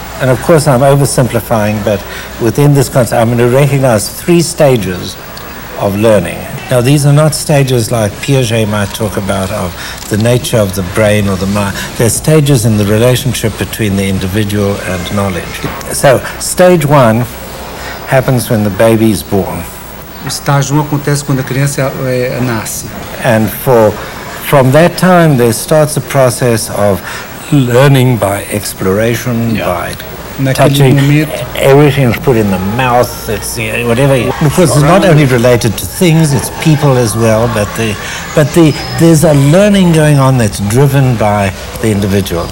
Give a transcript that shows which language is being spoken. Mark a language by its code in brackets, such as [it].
[en] And of course I'm oversimplifying, but within this concept I'm going to recognize three stages of learning. Now these are not stages like Piaget might talk about of the nature of the brain or the mind. They're stages in the relationship between the individual and knowledge. So stage one happens when the baby is born. [pt] O estágio um acontece quando a criança nasce. [en] And from that time there starts a process of learning by exploration, by touching, everything is put in the mouth, it's whatever. Of course, it's not only related to things, it's people as well, but there's a learning going on that's driven by the individual.